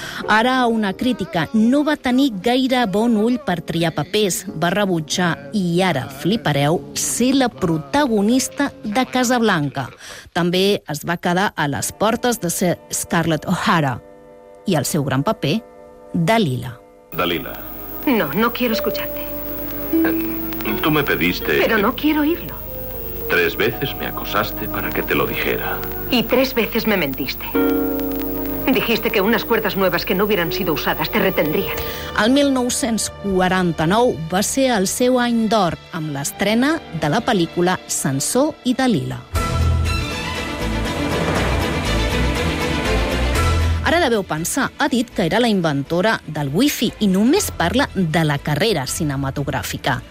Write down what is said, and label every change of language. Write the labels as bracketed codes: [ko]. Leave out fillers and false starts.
[ca] Ara, una crítica, no va tenir gaire bon ull per triar papers, va rebutjar, i ara flipareu, ser la protagonista de Casablanca. També es va quedar a les portes de ser Scarlett O'Hara i el seu gran paper, Dalila. Dalila. [es] No, no quiero escucharte. Tú me pediste... Pero no quiero oírlo. Tres veces me acosaste para que te lo dijera. Y tres veces me mentiste. Dijiste que unas cuerdas nuevas que no hubieran sido usadas te retendrían. [ca] El 1949 va ser el seu any d'or amb l'estrena de la pel·lícula Sansó i Dalila. Ara deveu pensar, ha dit que era la inventora del wifi i només parla de la carrera cinematogràfica.